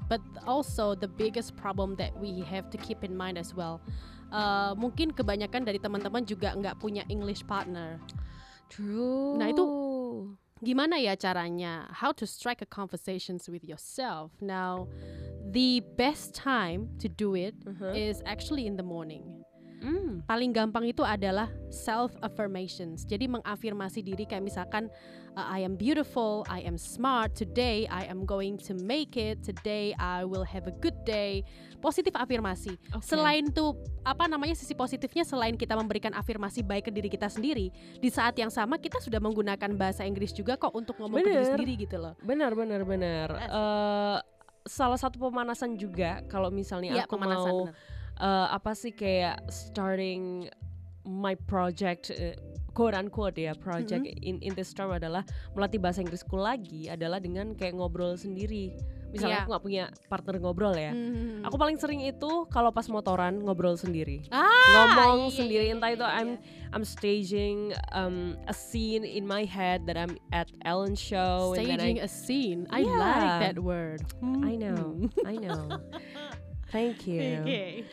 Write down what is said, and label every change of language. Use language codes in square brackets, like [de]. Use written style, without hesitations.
[en] But also the biggest problem that we have to keep in mind as well. [id] Mungkin kebanyakan dari teman-teman juga enggak punya English partner. [en] True. [id] Nah, itu gimana ya caranya? [en] How to strike a conversations with yourself? Now, the best time to do it is actually in the morning. [id] Paling gampang itu adalah self-affirmations. Jadi mengafirmasi diri kayak misalkan [en] I am beautiful, I am smart, today I am going to make it, today I will have a good day. [id] Positif afirmasi. [en] Okay. [id] Selain itu, apa namanya, sisi positifnya selain kita memberikan afirmasi baik ke diri kita sendiri, di saat yang sama kita sudah menggunakan bahasa Inggris juga kok untuk ngomong ke diri sendiri gitu loh. Benar, benar, benar. Salah satu pemanasan juga kalau misalnya aku pemanasan. Mau apa sih kayak [en] starting my project quote-unquote [id] ya [en] project in this term [id] adalah melatih bahasa Inggrisku lagi adalah dengan kayak ngobrol sendiri. Misalnya aku gak punya partner ngobrol ya. Aku paling sering itu kalau pas motoran ngobrol sendiri. Ngomong sendiri, entah itu [en] I'm staging a scene in my head that I'm at Ellen's show. Staging and then a scene, I like that word. I know Thank you. Okay.